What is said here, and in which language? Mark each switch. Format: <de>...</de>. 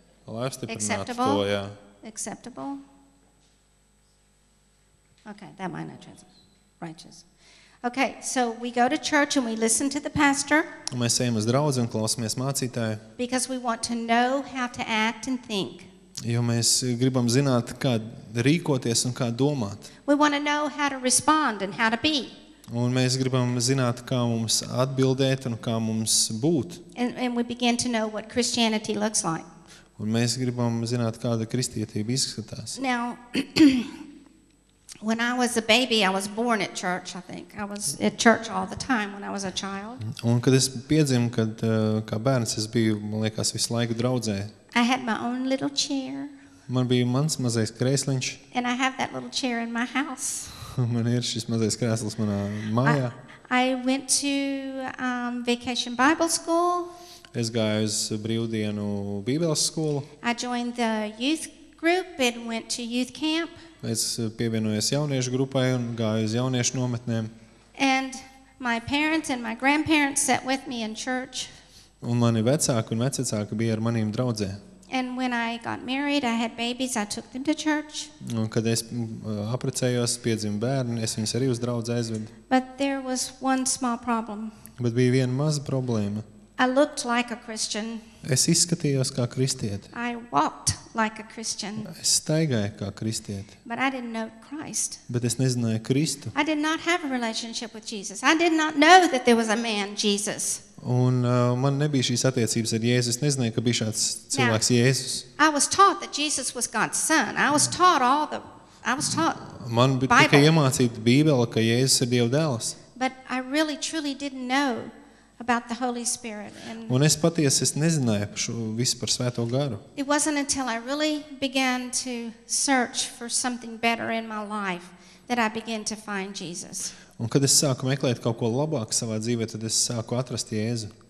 <lv>Lai apstiprinātu to, jā.</lv> <en>Acceptable? Okay, that might not translate. Righteous. Okay, so we go to church and we listen to the pastor.</en> <lv>Mēs ejam uz draudzi un klausamies mācītāju.</lv> <en>Because we want to know how to act and think.</en> <lv>Jo mēs gribam zināt, kā rīkoties un kā domāt.</lv> <en>We want to know how to respond and how to be.</en> <lv>Un mēs gribam zināt, kā mums atbildēt un kā mums būt.</lv> <en>And we begin to know what Christianity looks like.</en> <lv>Un mēs gribam zināt, kāda kristietība izskatās.</lv> <en>Now, when I was a baby, I was born at church, I think. I was at church all the time when I was a child.</en> <lv>Un kad es piedzimu, kad kā bērns, es biju, man liekas, visu laiku draudzē.</lv> <en>I had my own little chair.</en> <lv>Man bija mans mazais krēsliņš.</lv> <en>And I have that little chair in my house.</en> <lv>Man ir šis mazais krēsls manā mājā.</lv> <en>I went to vacation Bible school.</en> <lv>Es gāju uz brīvdienu Bībeles skolu.</lv> <en>I joined the youth group and went to youth camp.</en> <lv>Es pievienojos jauniešu grupai un gāju uz jauniešu nometnēm.</lv> <en>And my parents and my grandparents sat with me in church.</en> <lv>Un mani vecāki un vecvecāki bija ar manīm draudzē.</lv> <en>And when I got married, I had babies, I took them to church.</en> <lv>Un kad es aprecējos, piedzimu bērni, es viņus arī uz draudzi aizvedu.</lv> <en>But there was one small problem.</en> <lv>Bet bija viena maza problēma.</lv> <en>I looked like a Christian.</en> <lv>Es izskatījos kā kristieti.</lv> <en>I walked like a Christian.</en> <lv>Es staigāju kā kristieti.</lv> <en>But I didn't know Christ.</en> <lv>Bet es nezināju Kristu.</lv> <en>I did not have a relationship with Jesus. I did not know that there was a man, Jesus.</en> <lv>Un man nebija šīs attiecības ar Jēzus. Es nezināju, ka bija šāds cilvēks</lv> <en>Now,</en> <lv>Jēzus.</lv> <en>I was taught that Jesus was God's son. I was taught</en> <lv>Man bija tikai iemācīta Bībele, ka Jēzus ir Dieva dēls.</lv> <en>But I really truly didn't know about the Holy Spirit. And</en> <lv>Un es patiesi nezināju par šo visu par Svēto Garu.</lv> <en>It wasn't until I really began to search for something better in my life that I began to find Jesus.</en> <lv>Un kad es sāku meklēt kaut ko labāku savā dzīvē, tad es sāku atrast Jēzu.</lv>